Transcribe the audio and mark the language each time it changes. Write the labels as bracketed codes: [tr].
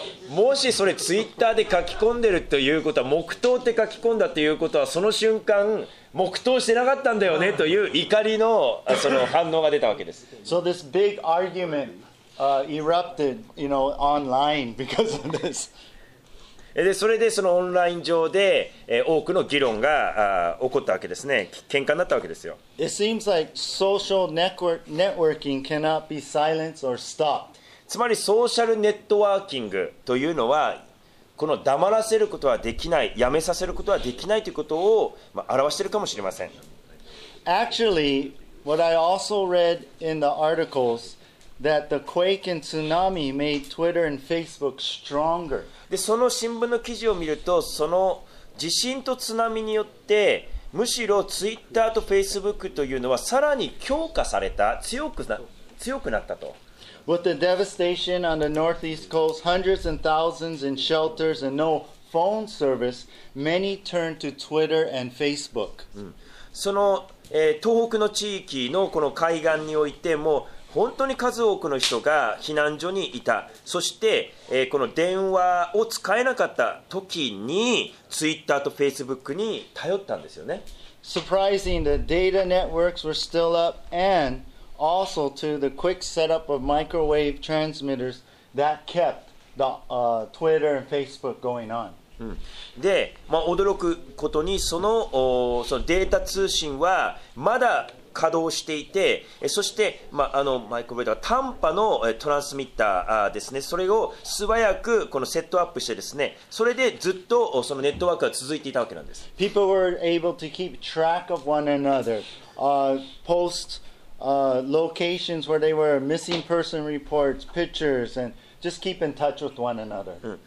[ja] もしそれツイッターで書き込んでるということは黙祷って書き込んだということはその瞬間黙祷してなかったんだよねという怒りのその反応が出たわけです。 [en] So this big argument. Erupted, you know, online because of this. [ja] で、それでそのオンライン上で、多くの議論が、起こったわけですね。喧嘩になったわけですよ。 [en] It seems like social networking cannot be silenced or stopped. [ja] つまりソーシャルネットワーキングというのは、この黙らせることはできない、やめさせることはできないということを、表しているかもしれません。 [en] Actually, what I also read in the articles. That the quake and tsunami made Twitter and Facebook stronger. [ja] で、その新聞の記事を見ると、その地震と津波によって、むしろ Twitter と Facebook というのはさらに強化された、強くなったと。 [en] With the devastation on the northeast coast, hundreds and thousands in shelters and no phone service, many turned to Twitter and Facebook.、 [ja] その、東北の地域のこの海岸においても。本当に数多くの人が避難所にいた。そして、この電話を使えなかった時に、Twitter と Facebook に頼ったんですよね。 [en] Surprising, the data networks were still up, and also to the quick setup of microwave transmitters that kept the, Twitter and Facebook going on. [ja] で、驚くことにそのデータ通信はまだ稼働していて、そして、マイクロウェーブは短波のトランスミッターですね、それを素早くこのセットアップしてですね、それでずっとそのネットワークが続いていたわけなんです。 [en] People were able to keep track of one another, post, locations where they were missing person reports, pictures, and just keep in touch with one another.